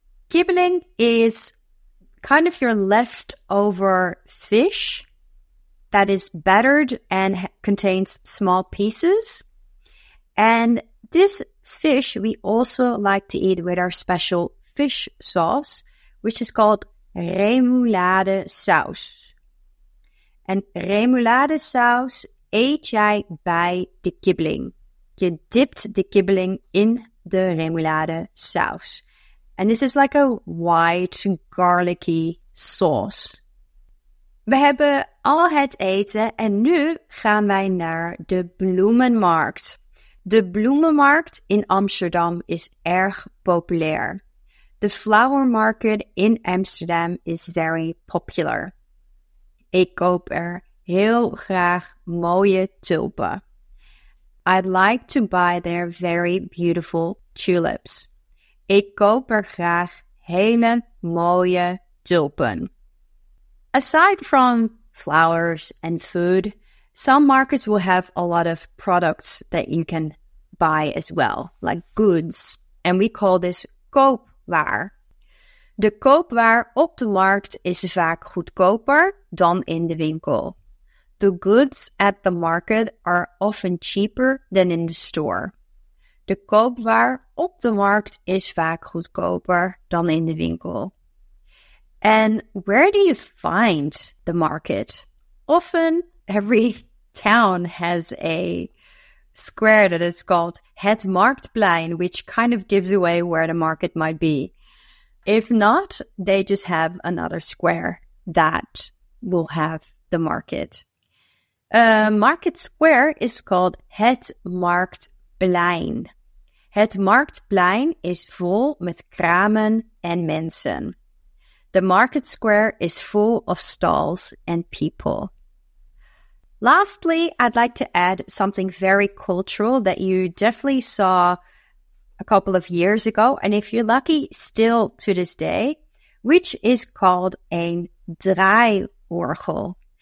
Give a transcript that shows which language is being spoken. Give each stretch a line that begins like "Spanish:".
English: Kibbeling is kind of your leftover fish that is battered and contains small pieces. And this fish we also like to eat with our special fish sauce, which is called remoulade saus.
Dutch: En remoulade saus eet jij bij de kibbeling. Je dipt de kibbeling in de remoulade saus.
English: And this is like a white garlicky sauce.
Dutch: We hebben al het eten en nu gaan wij naar de bloemenmarkt. De bloemenmarkt in Amsterdam is erg populair.
English: The flower market in Amsterdam is very popular.
Dutch: Ik koop er heel graag mooie tulpen.
English: I'd like to buy their very beautiful tulips.
Dutch: Ik koop er graag hele mooie tulpen.
English: Aside from flowers and food, some markets will have a lot of products that you can buy as well, like goods. And we call this koopwaar.
Dutch: De koopwaar op de markt is vaak goedkoper dan in de winkel.
English: The goods at the market are often cheaper than in the store.
Dutch: De koopwaar op de markt is vaak goedkoper dan in de winkel.
English: And where do you find the market? Often, every town has a square that is called Het Marktplein, which kind of gives away where the market might be. If not, they just have another square that will have the market. A market square is called Het Marktplein.
Dutch: Het Marktplein is vol met kramen en mensen.
English: The market square is full of stalls and people. Lastly, I'd like to add something very cultural that you definitely saw a couple of years ago, and if you're lucky, still to this day, which is called een draaiorgel.